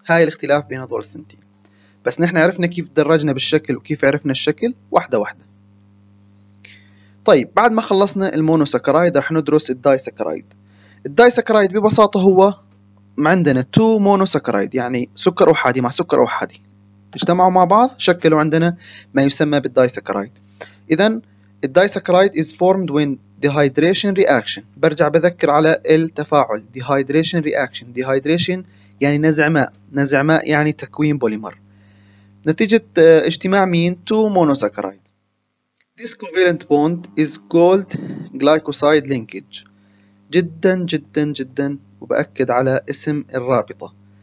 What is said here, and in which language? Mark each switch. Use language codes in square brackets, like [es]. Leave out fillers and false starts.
[ar] هاي الاختلاف بين هذول الثنتين، بس نحن عرفنا كيف درجنا بالشكل وكيف عرفنا الشكل واحدة واحدة. طيب بعد ما خلصنا المونوساكرايد رح ندرس الدايساكرايد. الدايساكرايد ببساطة هو عندنا 2 مونوساكرايد، يعني سكر أحادي مع سكر أحادي اجتمعوا مع بعض شكلوا عندنا ما يسمى بالدايساكرايد. إذا الدايساكرايد [en] is formed when dehydration reaction، [ar] برجع بذكر على التفاعل [en] dehydration reaction. [ar] dehydration يعني نزع ماء، نزع ماء يعني تكوين بوليمر نتيجة اجتماع مين؟ 2 مونوساكرايد. [en] This covalent bond is called glycoside linkage، [ar] جدا جدا جدا وبأكد على اسم الرابطة.